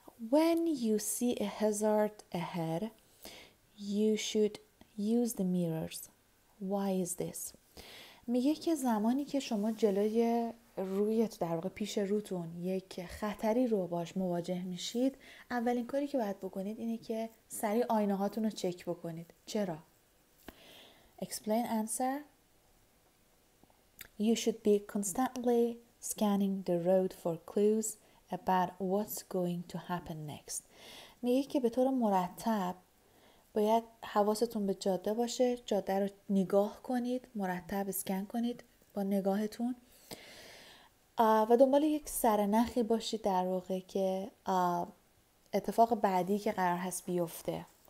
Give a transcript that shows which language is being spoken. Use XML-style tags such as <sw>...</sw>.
<en>When you see a hazard ahead, you should use the mirrors. Why is this؟</en> <fa>میگه که زمانی که شما جلوی رویت در واقع پیش روتون یک خطری رو باش مواجه میشید، اولین کاری که باید بکنید اینه که سریع آینه هاتون رو چک بکنید. چرا؟</fa> <en>Explain answer. You should be constantly scanning the road for clues about what's going to happen next.</en> <fa>میگه که به طور مرتب باید حواستون به جاده باشه، جاده رو نگاه کنید، مرتب اسکن کنید با نگاهتون و دنبال یک سرنخی باشید در واقع که اتفاق بعدی که قرار هست بیفته.</fa>